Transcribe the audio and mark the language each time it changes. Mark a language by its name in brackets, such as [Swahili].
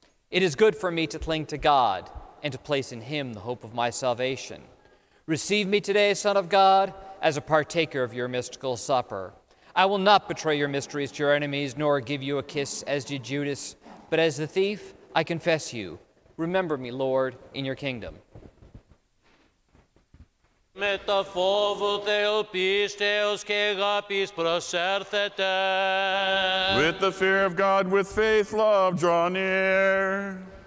[English] It is good for me to cling to God and to place in him the hope of my salvation. Receive me today, Son of God, as a partaker of your mystical supper. I will not betray your mysteries to your enemies, nor give you a kiss as did Judas, but as the thief, I confess you. Remember me, Lord, in your kingdom. [Greek] Με τα φόβου Θεού πίστεως και αγάπης προσέρθετε. [English] With the fear of God, with faith, love, draw near.